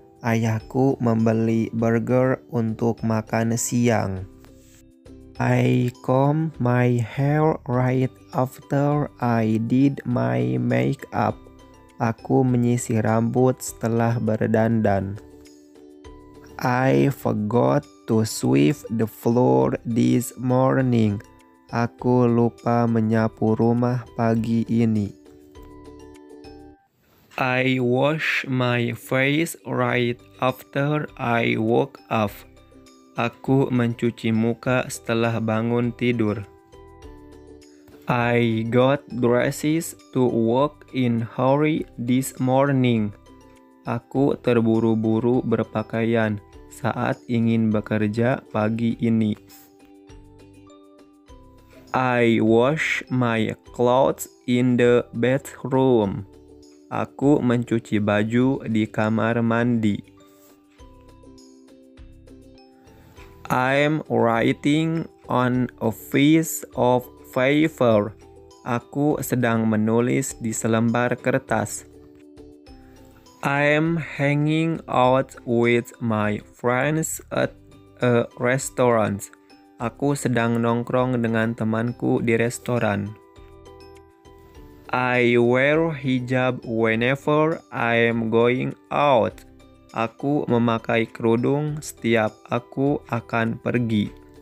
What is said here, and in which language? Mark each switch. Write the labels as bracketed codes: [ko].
[id] Ayahku membeli burger untuk makan siang. [en] I comb my hair right after I did my makeup. [id] Aku menyisir rambut setelah berdandan. [en] I forgot to sweep the floor this morning. [id] Aku lupa menyapu rumah pagi ini. [en] I wash my face right after I woke up. [id] Aku mencuci muka setelah bangun tidur. [en] I got dresses to walk in hurry this morning. [id] Aku terburu-buru berpakaian saat ingin bekerja pagi ini. [en] I wash my clothes in the bathroom. [id] Aku mencuci baju di kamar mandi. [en] I'm writing on a piece of paper. [id] Aku sedang menulis di selembar kertas. [en] I'm hanging out with my friends at a restaurant. [id] Aku sedang nongkrong dengan temanku di restoran. [en] I wear hijab whenever I am going out. [id] Aku memakai kerudung setiap aku akan pergi.